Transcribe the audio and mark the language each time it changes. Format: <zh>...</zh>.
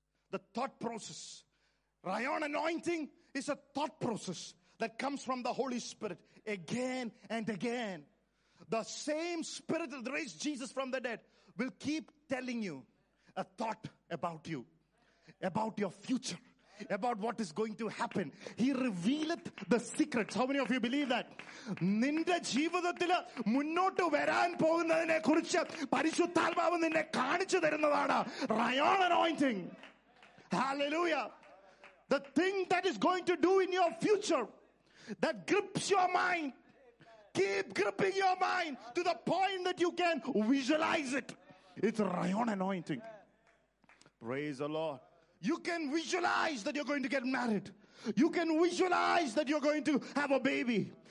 <en>The thought process. Rayon anointing is a thought process that comes from the Holy Spirit again and again. The same Spirit that raised Jesus from the dead will keep telling you a thought about you, about your future, about what is going to happen. He revealeth the secrets. How many of you believe that?</en> <ml>നിന്റെ ജീവിതത്തിൽ മുന്നോട്ട് വരാൻ പോകുന്നതിനെ കുറിച്ച് പരിശുദ്ധാത്മാവ് നിന്നെ കാണിച്ചു തരുന്നതാണ് rayon anointing. Hallelujah.</ml> <en>The thing that is going to do in your future that grips your mind, keep gripping your mind to the point that you can visualize it. It's rayon anointing. Praise the Lord. You can visualize that you're going to get married. You can visualize that you're going to have a baby.</en>